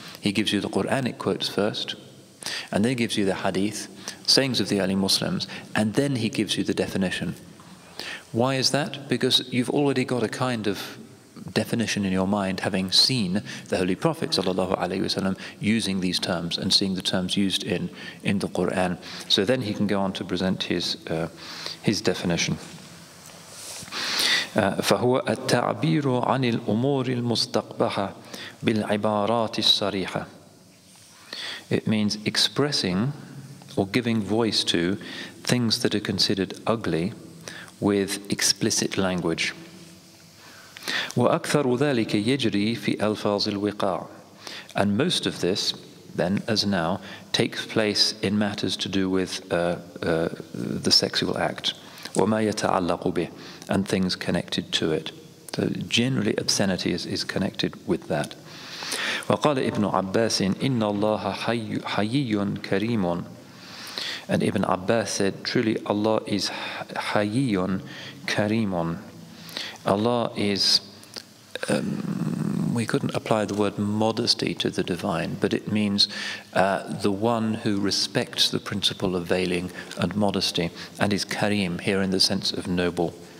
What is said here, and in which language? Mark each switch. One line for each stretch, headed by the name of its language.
English: He gives you the Qur'anic quotes first, and then he gives you the Hadith, sayings of the early Muslims, and then he gives you the definition. Why is that? Because you've already got a kind of definition in your mind, having seen the Holy Prophet sallallahu alaihi wasallam using these terms and seeing the terms used in the Qur'an. So then he can go on to present his definition.
Arabic: فهو التعبير عن الأمور المستقبحة بالعبارات الصريحة.
English: It means expressing or giving voice to things that are considered ugly with explicit language.
Arabic: وأكثر ذلك يجري في ألفاظ الوقاع.
English: And most of this, then as now, takes place in matters to do with the sexual act.
Arabic: وما يتعلق به,
English: and things connected to it. So generally obscenity is connected with that.
Arabic: وقال ابن عباس إن الله حيي كريم.
English: And Ibn Abbas said, truly Allah is
Arabic: حيي كريم.
English: Allah is, we couldn't apply the word modesty to the divine, but it means the one who respects the principle of veiling and modesty, and is karim here in the sense of noble.